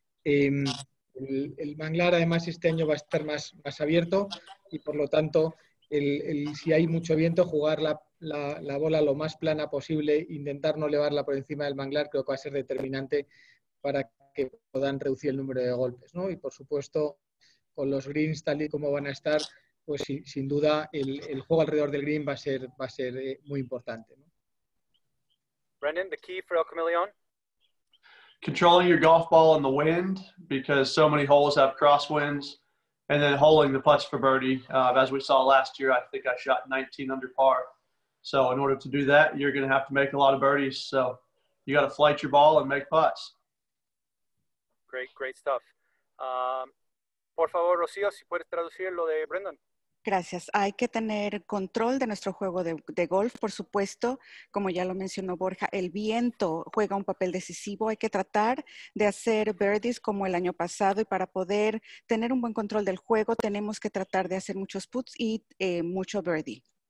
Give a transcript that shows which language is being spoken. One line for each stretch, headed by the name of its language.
Spanish: El Manglar además este año va a estar más abierto y por lo tanto si hay mucho viento, jugar la bola lo más plana posible, intentar no elevarla por encima del Manglar, creo que va a ser determinante para que puedan reducir el número de golpes, ¿no? Y por supuesto, con los greens tal y como van a estar, pues sin duda el juego alrededor del green va a ser muy importante, ¿no?
English: Brendan, the key for El Camaleón. Controlling your golf ball in the wind, because so many holes have crosswinds, and then holing the putts for birdie. As we saw last year, I think I shot 19 under par. So in order to do that, you're going to have to make a lot of birdies. So you got to flight your ball and make putts. Great stuff.
Spanish: Por favor, Rocío, si puedes traducir lo de Brendan. Gracias. Hay que tener control de nuestro juego de golf, por supuesto. Como ya lo mencionó Borja, el viento juega un papel decisivo. Hay que tratar de hacer birdies como el año pasado, y para poder tener un buen control del juego, tenemos que tratar de hacer muchos putts y mucho birdie.